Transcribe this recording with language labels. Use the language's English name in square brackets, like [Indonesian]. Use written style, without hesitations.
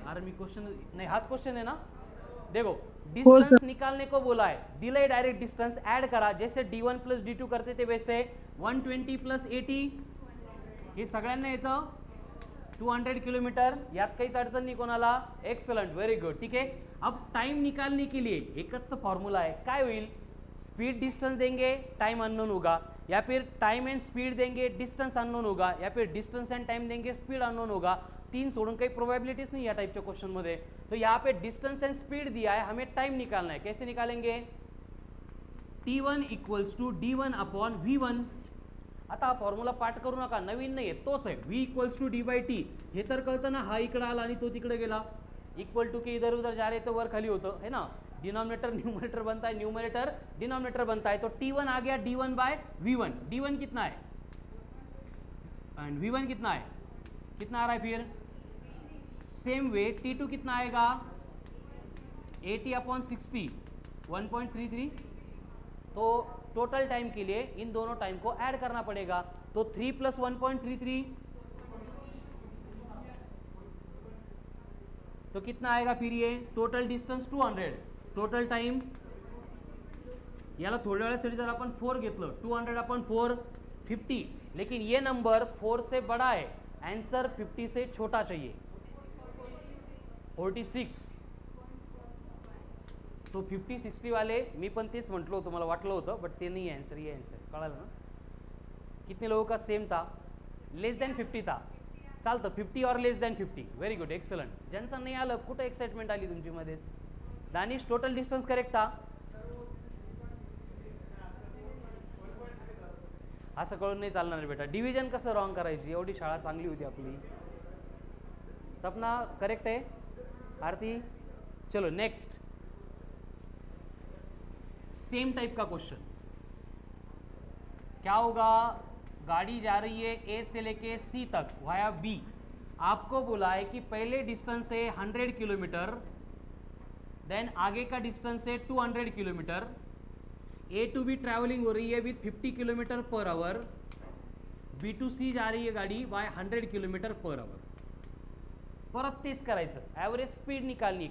[Marathi] अरे मी क्वेश्चन नाही, हाच क्वेश्चन आहे ना. [Hindi] देखो डिस्टन्स निकालने को बोला है, [Marathi] दिलाय डायरेक्ट डिस्टन्स ऐड करा. [Hindi] जैसे D one plus D to करते थे वैसे 120 प्लस 80 [Marathi] हे सगळ्यांना येतं [Hindi] 200 किलोमीटर. [Marathi] यात काहीच अडचण नाही कोणाला. Excellent, very good. ठीक आहे, [Hindi] अब टाइम निकालने के लिए [Marathi] एकच तर फॉर्म्युला आहे. काय होईल? [Hindi] स्पीड डिस्टन्स देंगे, टाइम अननोन होगा. या फिर टाइम एंड स्पीड देंगे, डिस्टन्स अननोन होगा. या फिर डिस्टन्स एंड टाइम देंगे, स्पीड अननोन होगा. [Marathi] तीन सोडून काही प्रोबेबिलिटीज नाही या टाइपच्या क्वेश्चनमध्ये. [Hindi] तो यहाँ पे डिस्टन्स एंड स्पीड दिया आहे, हमें टाइम निकालना आहे. कैसे निकालेंगे? [Marathi] T one equals to D one upon V one. आता हा फॉर्म्युला पाठ करू नका, नवीन नाही आहे, तोच आहे. V equals to D bye T, हे तर कळतं ना. हा इकडे आला आणि तो तिकडे गेला. [Hindi] इक्वल टू की इधर उधर जा रहे [Marathi] तो वर खाली होतं, [Hindi] है ना. डिनॉमिनेटर न्यूमरेटर बनता है, न्यूमरेटर डिनॉमिनेटर बनता है. तो टी वन आ गया D one by V one. D one कितना है एंड व्ही वन कितना है? कितना आ रहा है फिर? सेम वे टी टू कितना आएगा? 80 अपॉन 60, 1.33. तो टोटल टाइम के लिए इन दोनों टाइम को ऐड करना पड़ेगा. तो 3 प्लस 1.33 तो कितना आएगा फिर? [Marathi] ये टोटल डिस्टेंस 200, टोटल टाइम. याला थोड़े वाले सीढ़ी जर अपन 4 घेतलं, 200 अपॉन 4 50. [Hindi] लेकिन ये नंबर 4 से बड़ा है, आंसर 50 से छोटा चाहिए, 46. [Marathi] तो 50-60 वाले मी पण तेच म्हटलं होतं, मला वाटलं होतं, बट ते नाही आन्सर. ये आन्सर कळालं ना? किती लोक का सेम था? लेस दॅन 50 था. चालतं, 50 or less than 50, very good, excellent. ज्यांचं नाही आलं, कुठं एक्साइटमेंट आली तुमच्यामध्येच? [Hindi] दानिश टोटल डिस्टन्स करेक्ट था? [Marathi] असं कळून नाही चालणार बेटा. डिव्हिजन कसं रॉंग करायची? एवढी शाळा चांगली होती आपली. सपना करेक्ट आहे, आरती. [Hindi] चलो नेक्स्ट, सेम टाइप का क्वेश्चन. क्या होगा? गाड़ी जा रही है ए से लेके सी तक वाया बी. आपको बोला है कि पहले डिस्टेंस है 100 किलोमीटर, देन आगे का डिस्टेंस है 200 kilometre. A to be travelling हो रही है with 50 kilometre per hour. B to सी जा रही है गाड़ी वाय 100 किलोमीटर पर आवर. [Marathi] परत तेच करायचं, [Hindi] ॲव्हरेज स्पीड निकालनी.